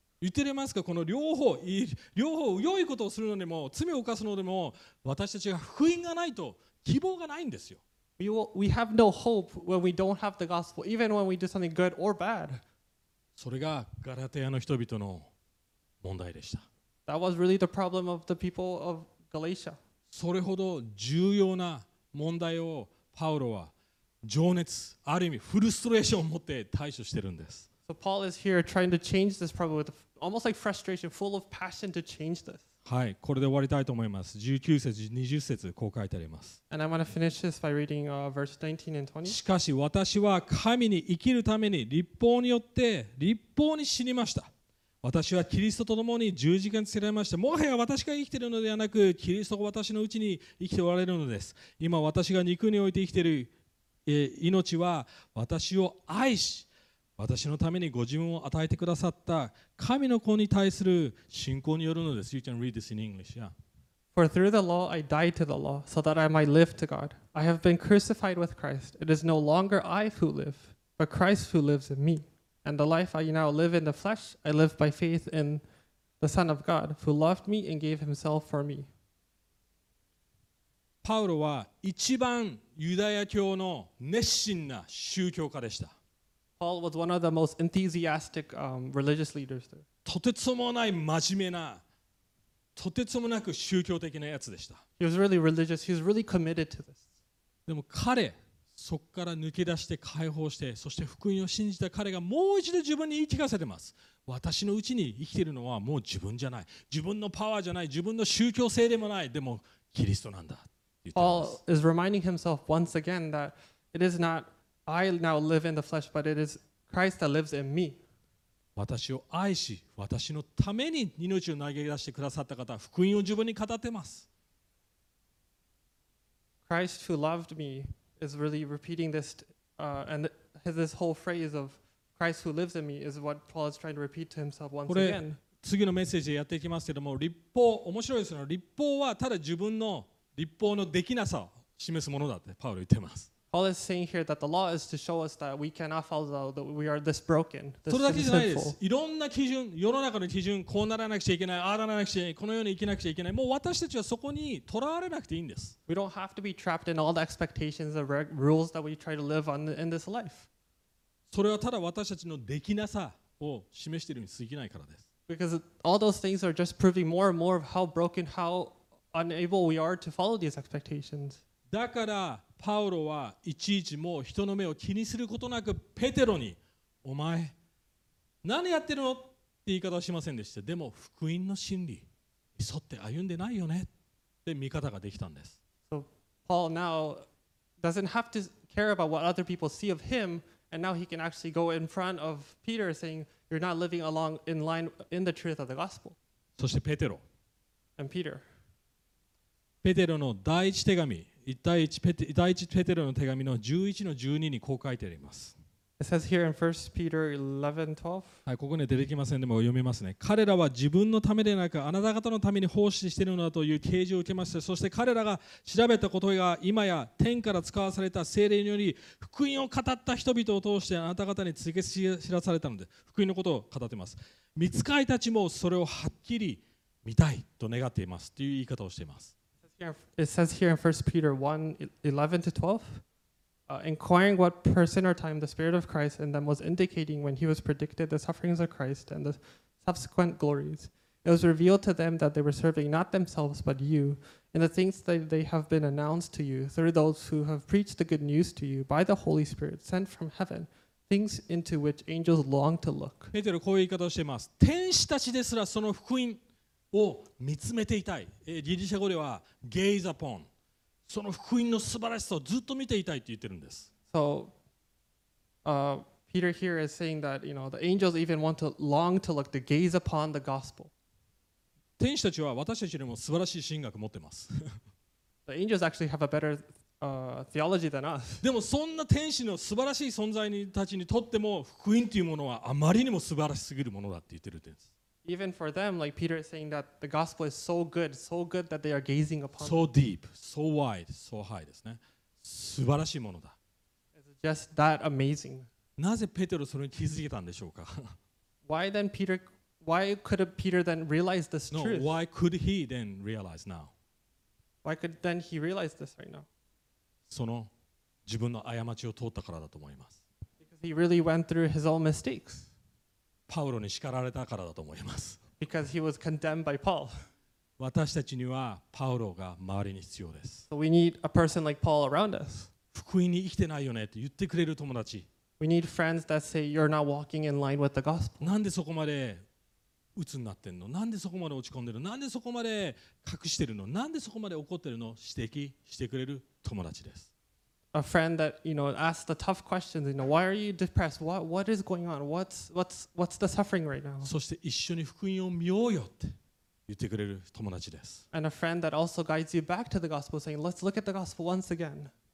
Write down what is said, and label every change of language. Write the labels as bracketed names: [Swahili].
[Japanese] 言っていますか、この両方良いことをするのでも罪を犯すのでも私たちが福音がないと希望がないんですよ。 [English] We have no hope when we don't have the gospel, even when we do something good or bad. [Japanese] それがガラテヤの人々の問題でした。 [English] That was really the problem of the people of Galatia. [Japanese] それほど重要な問題をパウロは情熱、ある意味フルストレーションを持って対処してるんです。 [English] So Paul is here trying to change this problem with almost like frustration, full of passion to change this. [Japanese] はい、これで終わりたいと思います。19節、20節、こう書いてあります。 [English] And I want to finish this by reading verse 19 and 20. [Japanese] しかし私は神に生きるために律法によって律法に死にました。私はキリストと共に十字架につけられました。もはや私が生きているのではなく、キリストが私のうちに生きておられるのです。今私が肉において生きている、命は私を愛し、私のためにご自分を与えてくださった神の子に対する信仰によるのです。 [English] You can read this in English, yeah. For through the law I died to the law, so that I might live to God. I have been crucified with Christ. It is no longer I who live, but Christ who lives in me. And the life I now live in the flesh, I live by faith in the Son of God, who loved me and gave himself for me. [Japanese] パウロは一番ユダヤ教の熱心な宗教家でした。 [English] Paul was one of the most enthusiastic religious leaders there. [Japanese] とてつもない真面目な、とてつもなく宗教的なやつでした。 [English] He was really religious. He was really committed to this. [Japanese] でも彼、そこから抜け出して解放して、そして福音を信じた彼がもう一度自分に言い聞かせてます。私のうちに生きているのはもう自分じゃない。自分のパワーじゃない。自分の宗教性でもない。でもキリストなんだ。 [English] Paul is reminding himself once again that it is not. I now live in the flesh, but it is Christ that lives in me. [Japanese] 私を愛し、私のために命を投げ出してくださった方、福音を自分に語ってます。 [English] Christ who loved me is really repeating this, and this whole phrase of Christ who lives in me is what Paul is trying to repeat to himself once again. [Japanese] これ次のメッセージでやっていきますけども、律法面白いですよね。律法はただ自分の律法のできなさを示すものだってパウロ言ってます。 [English] Paul is saying here that the law is to show us that we cannot follow the law, that we are this broken, this [Japanese] それだけじゃないです。いろんな基準、世の中の基準、こうならなくちゃいけない、ああならなくちゃいけない、このように生きなくちゃいけない。もう私たちはそこにとらわれなくていいんです。 [English] We don't have to be trapped in all the expectations and rules that we try to live on in this life. [Japanese] それはただ私たちのできなさを示しているに過ぎないからです。 [English] Because all those things are just proving more and more of how broken, how unable we are to follow these expectations. [Japanese] だから、パウロはいちいちもう人の目を気にすることなくペテロにお前何やってるのって言い方はしませんでした。でも福音の真理に沿って歩んでないよねって見方ができたんです。 [English] So Paul now doesn't have to care about what other people see of him, and now he can actually go in front of Peter saying, "You're not living along in line in the truth of the gospel." [Japanese] そしてペテロ。 [English] And Peter. [Japanese] ペテロの第一手紙。第一ペテロの手紙の11の12にこう書いてあります。 [English] It says here in 1 Peter 11, 12. [Japanese] はい、ここには出てきませんでも読みますね。彼らは自分のためでなく、あなた方のために奉仕しているのだという啓示を受けました。そして彼らが調べたことが今や天から使わされた聖霊により、福音を語った人々を通してあなた方に告げ知らされたので、福音のことを語っています。御使いたちもそれをはっきり見たいと願っていますという言い方をしています。 [English] It says here in 1 Peter 1, 11 to 12, inquiring what person or time the Spirit of Christ in them was indicating when he was predicted the sufferings of Christ and the subsequent glories. It was revealed to them that they were serving not themselves but you, and the things that they have been announced to you through those who have preached the good news to you by the Holy Spirit sent from heaven, things into which angels long to look. [Japanese] ペテロこういう言い方をしています。天使たちですらその福音を見つめていたい。ギリシャ語では [English] gaze upon。 [Japanese] その福音の素晴らしさをずっと見ていたいと言ってるんです。 [English] So, Peter here is saying that, you know, the angels even want to long to look, to gaze upon the gospel. [Japanese] 天使たちは私たちよりも素晴らしい神学を持ってます。 [English] The angels actually have a better, theology than us. [Japanese] でもそんな天使の素晴らしい存在たちにとっても福音というものはあまりにも素晴らしすぎるものだって言ってるんです。 [English] Even for them, like Peter is saying that the gospel is so good that they are gazing upon. So deep, so wide, so high [Japanese] ですね。素晴らしいものだ。 [English] It's just that amazing. [Japanese] なぜペテロそれに気づけたんでしょうか。 [English] Why then Peter? Why could Peter then realize this truth? No, why could he then realize now? Why could then he realize this right now? [Japanese] その自分の過ちを通ったからだと思います。 [English] Because he really went through his own mistakes. [Japanese] パウロに叱られたからだと思います。 [English] Because he was condemned by Paul. [Japanese] 私たちにはパウロが周りに必要です。 [English] So we need a person like Paul around us. [Japanese] 福音に生きてないよねって言ってくれる友達。 [English] We need friends that say you're not walking in line with the gospel. [Japanese] なんでそこまで鬱になってんの？なんでそこまで落ち込んでるの？なんでそこまで隠してるの？なんでそこまで怒ってるの？指摘してくれる友達です。 [English] A friend that, you know, asks the tough questions, you know, why are you depressed? What is going on? What's the suffering right now? [Japanese] そして一緒に福音を見ようよって言ってくれる友達です。 [English] And a friend that also guides you back to the gospel, saying, let's look at the gospel once again.